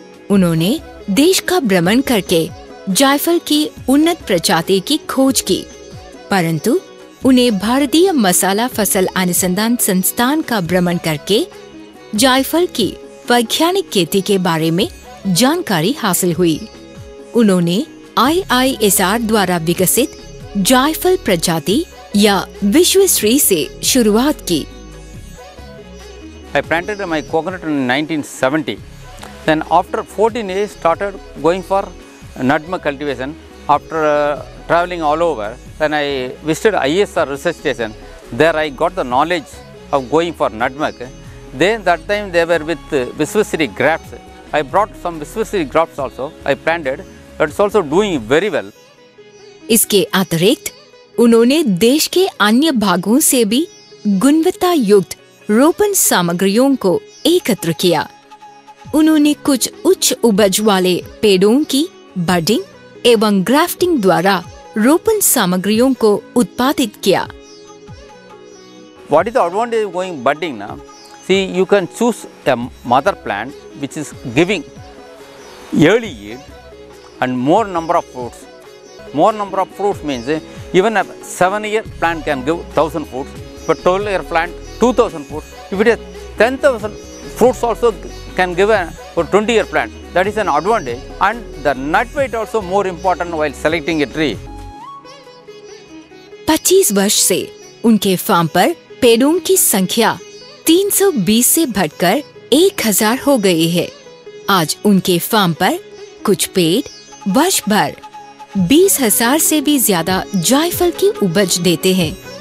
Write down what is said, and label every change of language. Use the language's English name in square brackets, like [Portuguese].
[Hindi] उन्होंने देश का भ्रमण करके जायफल की उन्नत प्रजाति की खोज की, परंतु उन्हें भारतीय मसाला फसल अनुसंधान संस्थान का भ्रमण करके जायफल की वैज्ञानिक खेती के बारे में जानकारी हासिल हुई। उन्होंने IISR द्वारा विकसित जायफल प्रजाति या विश्वश्री से शुरुआत की। [English] I planted my coconut in 1970. Then after 14 years started going for nutmeg cultivation. After traveling all over, then I visited ISR research station. There I got the knowledge of going for nutmeg. Then that time they were with Vishwasri grapes. I brought some Vishwasri grapes also. I planted. It's also doing very well. [Hindi] इसके अतिरिक्त उन्होंने देश के अन्य भागों से भी गुणवत्ता युक्त रोपण सामग्रियों को एकत्र किया। उन्होंने कुछ उच्च उपज वाले पेड़ों की बडिंग एवं ग्राफ्टिंग द्वारा रोपण सामग्रियों को उत्पादित किया। [English] What is the advantage of going budding now? See, you can choose a mother plant which is giving early yield and more number of fruits. More number of fruits means even a 7-year plant can give 1000 fruits, but 12-year plant 2000 fruits. If it is 10,000 fruits also can give for 20-year plant. That is an advantage. And the nut weight also more important while selecting a tree. [Hindi] 25 वर्ष से उनके farm पर पेड़ों की संख्या 320 से बढ़कर 1000 हो गई है। आज उनके फार्म पर कुछ पेड़ वर्ष भर 20,000 से भी ज्यादा जायफल की उपज देते हैं।